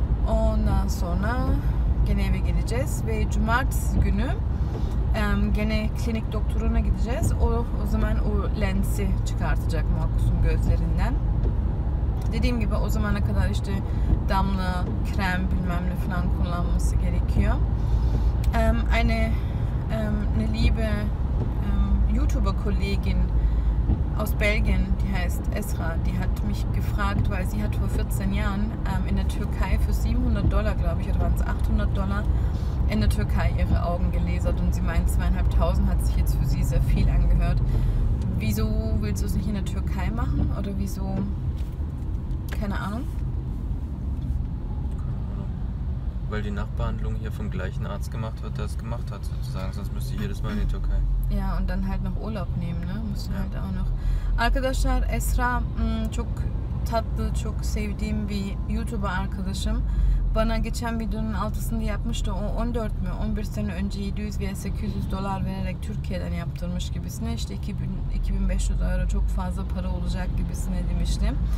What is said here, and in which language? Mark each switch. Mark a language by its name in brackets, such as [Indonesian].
[Turkish] Ondan sonra gene eve geleceğiz. Ve cumartesi günü gene klinik doktoruna gideceğiz. O zaman o lensi çıkartacak Markus'un gözlerinden. Dediğim gibi o zamana kadar işte damla, krem bilmem ne falan kullanması gerekiyor. [German] Eine liebe YouTuber-Kollegin aus Belgien, die heißt Esra, die hat mich gefragt, weil sie hat vor 14 Jahren in der Türkei für 700 Dollar, glaube ich, oder waren es 800 Dollar, in der Türkei ihre Augen gelasert und sie meint, 2.500 hat sich jetzt für sie sehr viel angehört. Wieso willst du es nicht in der Türkei machen oder wieso? Keine Ahnung. Weil die Nachbehandlung hier vom gleichen Arzt gemacht wird, der es gemacht hat, sozusagen. Sonst müsste ich jedes Mal in die Türkei. Ja, und dann halt noch Urlaub nehmen, ne? Musst du ja halt auch noch. [Turkish] Arkadaşlar, Esra, çok tatlı, çok sevdiğim bir YouTuber arkadaşım. Bana geçen videonun altısında yapmıştı. O 14 mü? 11 sene önce 700 veya 800 dolar vererek Türkiye'den yaptırmış gibisine. İşte 2500 euro çok fazla para olacak gibisine demiştim.